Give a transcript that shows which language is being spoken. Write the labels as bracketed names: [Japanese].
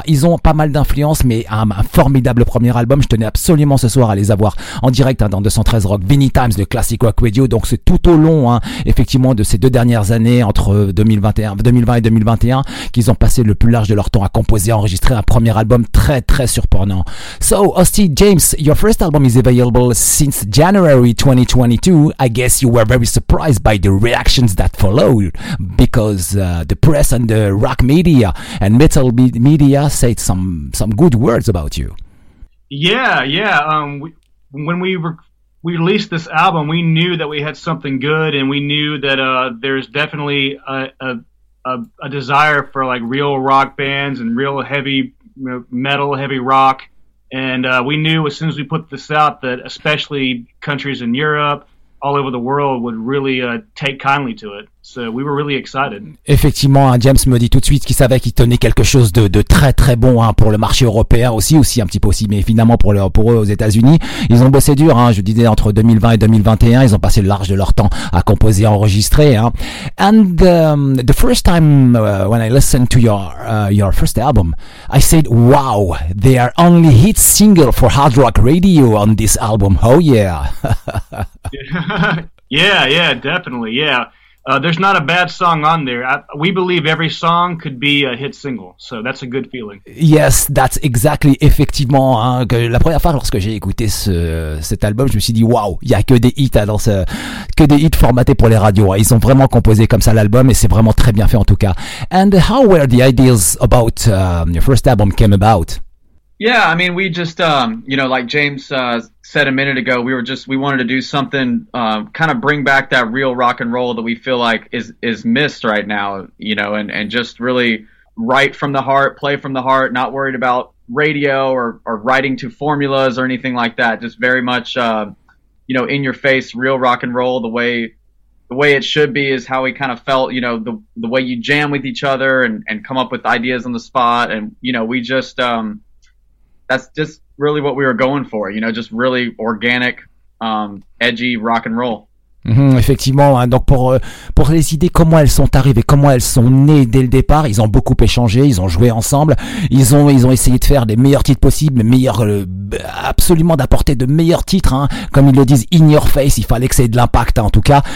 [French] Ils ont pas mal d'influence, mais un formidable premier album. Je tenais absolument ce soir à les avoir en direct hein, dans 213 Rock, Vinny Times, le Classic Rock Radio. Donc, c'est tout au long, hein, effectivement, de ces deux dernières années, entre 2020 et 2021, qu'ils ont passé le plus large de leur temps à composer et enregistrer un premier album très très surprenant. [English] So, Austin James, your first album is available since January 2022. I guess you were very surprised by the reactions that followed because the press and the rock media and metal media said some good words about you. Yeah. When we released this album, we knew that we had something good, and we knew that there's definitely a desire for like real rock bands and real heavy metal, heavy rock. And we knew as soon as we put this out that especially countries in Europe, all over the world would really take kindly to it. So we were really excited. [French] Effectivement, James me dit tout de suite qu'il savait qu'il tenait quelque chose de très très bon hein, pour le marché européen aussi un petit peu aussi, mais finalement pour eux aux États-Unis, ils ont bossé dur. Hein, je disais entre 2020 et 2021, ils ont passé le large de leur temps à composer, enregistrer. Hein. [English] And the first time when I listened to your first album, I said, "Wow, they are only hit single for hard rock radio on this album. Oh yeah." yeah, definitely, yeah. There's not a bad song on there. We believe every song could be a hit single, so that's a good feeling. Yes, that's exactly, effectivement. [French] Hein, que la première fois, lorsque j'ai écouté cet album, je me suis dit, waouh, il y a que des hits hein, que des hits formatés pour les radios. Hein. Ils ont vraiment composé comme ça l'album, et c'est vraiment très bien fait en tout cas. [English] And how were the ideas about your first album came about? Yeah, I mean, we just, you know, like James said a minute ago, we wanted to do something, kind of bring back that real rock and roll that we feel like is missed right now, you know, and just really write from the heart, play from the heart, not worried about radio or writing to formulas or anything like that. Just very much, you know, in your face, real rock and roll, the way it should be is how we kind of felt, you know, the way you jam with each other and come up with ideas on the spot. And, you know, we just, that's just really what we were going for, you know, just really organic, edgy rock and roll. [French] Effectivement, hein, donc pour les idées, comment elles sont arrivées, comment elles sont nées dès le départ, ils ont beaucoup échangé, ils ont joué ensemble, ils ont essayé de faire des meilleurs titres possibles, absolument d'apporter de meilleurs titres, hein, comme ils le disent, [English] in your face, [French] il fallait que c'est de l'impact hein, en tout cas.